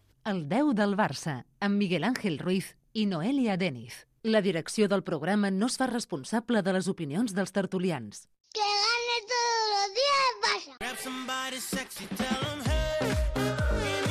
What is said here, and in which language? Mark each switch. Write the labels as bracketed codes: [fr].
[ca] El 10 del Barça, amb Miguel Ángel Ruiz i Noelia Deniz. La direcció del programa no es fa responsable de les opinions dels tertulians. [es] Que gane todos los días el Barça. [en] Grab somebody sexy, tell them hey.